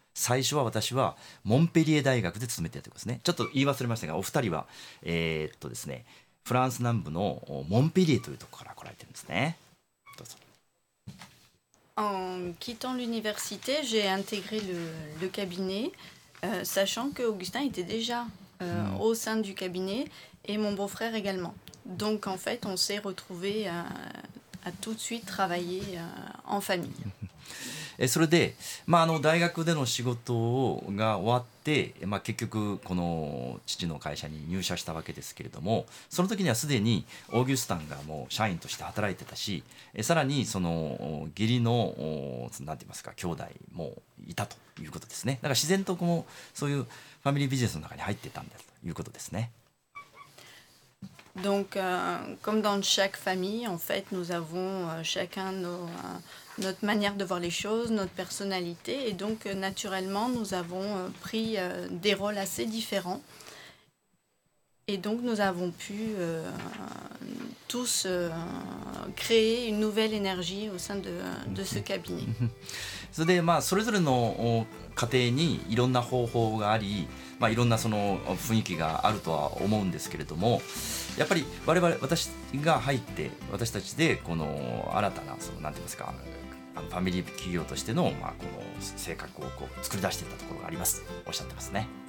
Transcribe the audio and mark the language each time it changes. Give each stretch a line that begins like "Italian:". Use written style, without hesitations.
Japanese: 最初は私はモンペリエ大学で勤めていたということですね。ちょっと言い忘れましたが、お二人はですね、フランス南部のモンペリエというところから来られてるんですね。どうぞ。
French: En quittant l'université, j'ai intégré le cabinet, sachant que Augustin était déjà au sein du cabinet et mon beau-frère également. Donc en fait, on s'est retrouvé à tout de suite travailler en famille.
Japanese: Et それで、まああの大学での仕事が終わって、まあ結局この父の会社に入社したわけですけれども、その時にはすでにオーギュスタンがもう社員として働いてたし、さらにその義理のなんて言いますか兄弟もいたということですね。だから自然とこのそういうファミリービジネスの中に入ってたんだということですね。
French: Donc, comme dans chaque famille, en fait, nous avons chacun notre manière de voir les choses, notre personnalité. Et donc, naturellement, nous avons pris des rôles assez différents. Et donc, nous avons pu tous créer une nouvelle énergie au sein de ce cabinet.
Japanese: それで、まあ、それぞれの家庭にいろんな方法があり、まあ、いろんなその雰囲気があるとは思うんですけれども、やっぱり我々私が入って、私たちでこの新たなそのなんて言いますか、ファミリー企業としての、まあ、この性格をこう作り出していたところがありますとおっしゃってますね。